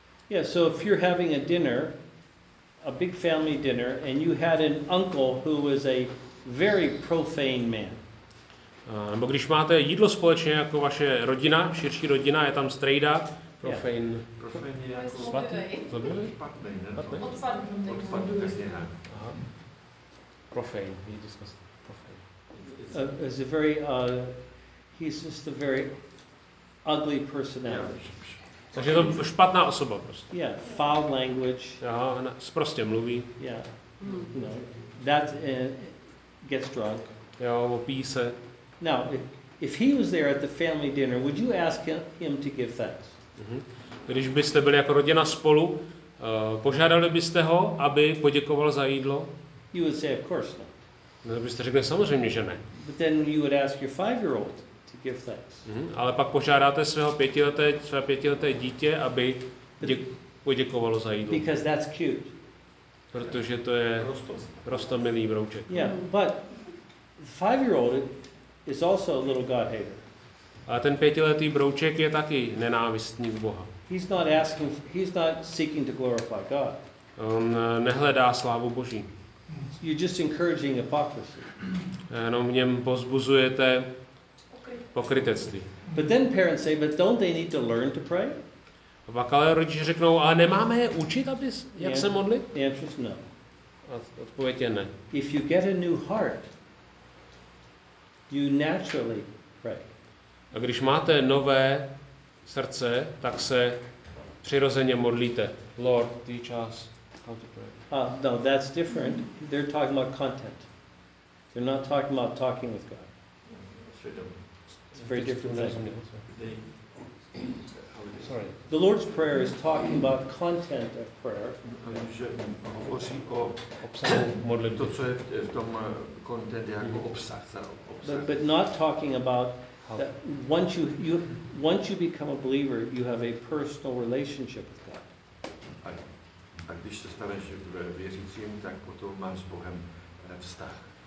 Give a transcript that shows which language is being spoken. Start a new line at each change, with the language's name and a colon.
English: Yeah, so if you're having a dinner, a big family dinner, and you had an uncle who was a very profane man.
Czech: Nebo když máte jídlo společně jako vaše rodina, širší rodina, je tam strejda.
English: Profane.
Czech: Profane je jako svatý. Odpadný. Odpadný.
English: Profane. We discussed profane. Is a very, he's just a very ugly personality. Yeah.
Czech: Takže je to špatná osoba prostě.
English: Yeah, foul language.
Czech: Aha, ona sprostě mluví.
English: Yeah. No. That gets drunk.
Czech: Jo, opíjí se.
English: Now, if he was there at the family dinner, would you ask him to give thanks?
Czech: Když byste byli jako rodina spolu, požádali byste ho, aby poděkoval za jídlo?
English: You would say, of course not.
Czech: No, byste řekli samozřejmě, že ne.
English: But then you would ask your five-year-old. Give thanks.
Czech: Ale pak požádáte své pětileté dítě, aby poděkovalo za jídlo.
English: Because that's cute.
Czech: Protože to je roztomilý brouček.
English: Yeah, but the five-year-old is also a little God hater.
Czech: A ten pětiletý brouček je taky nenávistník Boha.
English: He's not seeking to glorify God.
Czech: On nehledá slávu Boží.
English: You're just encouraging hypocrisy.
Czech: Jenom v něm pozbuzujete pokrytectví.
English: But then parents say, but don't they need to learn to pray?
Czech: A pak ale rodiče řeknou, ale nemáme je učit, aby jak se modlit?
English: The answer is no.
Czech: Odpověď je ne.
English: If you get a new heart, you naturally pray.
Czech: A když máte nové srdce, tak se přirozeně modlíte.
English: Lord, teach us how to pray. No, that's different. They're talking about content. They're not talking about talking with God. Very different thing. Sorry. The Lord's Prayer is talking about content of prayer.
Czech: Hovoří o obsahu modlitby. To, co je v tom content, jako obsah.
English: But not talking about that once you become a believer, you have a personal relationship with God.
Czech: A když se staneš věřícím, tak potom máš s Bohem vztah.